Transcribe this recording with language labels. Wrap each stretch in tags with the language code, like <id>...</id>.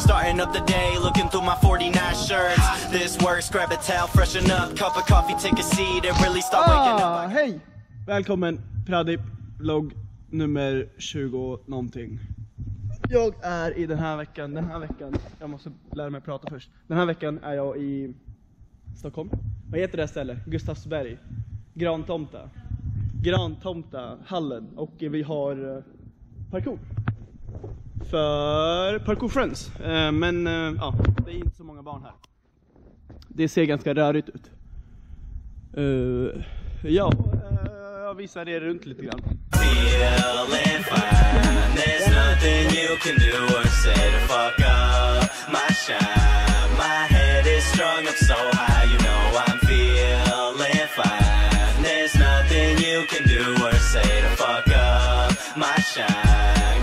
<en>Starting up the day, looking through my 49 shirts. This works, grab a towel, freshen up. Cup of coffee, take a seat and really start waking up.</en> <sv>Hej! Välkommen, Pradip, vlogg nummer 20-någonting. Jag är i den här veckan, jag måste lära mig prata först. Den här veckan är jag i Stockholm. Vad heter det stället? Gustavsberg. Grantomta. Grantomta hallen. Och vi har parkour. För Parkour Friends. Men ja, det är inte så många barn här. Det ser ganska rörigt ut. Ja, jag visar er runt lite grann.</sv> <en>Feeling fine. There's nothing you can do or say to fuck up my shine. My head is strong, I'm so high. You know I'm feeling fine. There's nothing you can do or say to fuck up my shine.</en>